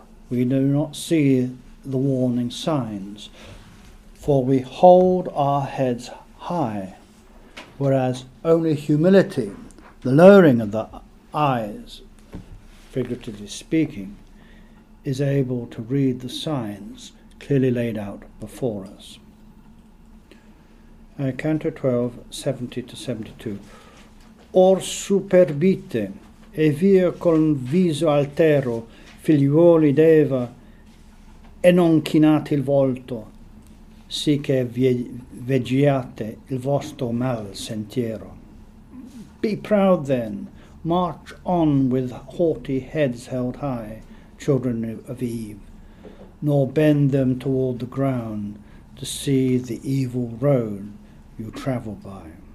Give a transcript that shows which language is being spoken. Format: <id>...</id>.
<en>We do not see the warning signs, for we hold our heads high, whereas only humility, the lowering of the eyes, figuratively speaking, is able to read the signs clearly laid out before us. Canto 12, 70 to 72.</en> <it>Or superbite, e via col viso altero, figliuoli d'Eva, e non chinate il volto, sì che vegiate il vostro mal sentiero.</it> <en>Be proud then, march on with haughty heads held high, children of Eve, nor bend them toward the ground to see the evil road you travel by.</en>